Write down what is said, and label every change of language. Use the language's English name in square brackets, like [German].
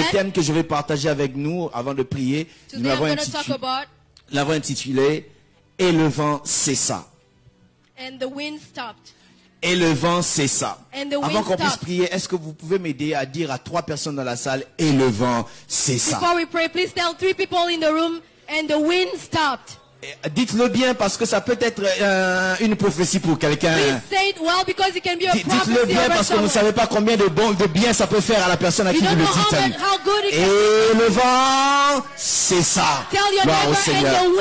[French] Le thème que je vais partager avec nous avant de prier, [English] Today [French] nous l'avons intitulé, Et le vent cessa. [English] And the wind stopped. [French] Et le vent cessa. [English] And the wind [French] avant qu'on [English] stopped. [French] Puisse prier, est-ce que vous pouvez m'aider à dire à 3 personnes dans la salle, et le vent cessa. [English] Before we pray, please tell 3 people in the room, and the wind stopped. [French] Dites-le bien parce que ça peut être une prophétie pour quelqu'un. [English] Well, [French] dites-le bien parce que vous ne savez pas combien de bon, de bien ça peut faire à la personne à [English] you [French] qui vous le dites. Et le vent, c'est ça. Gloire au Seigneur.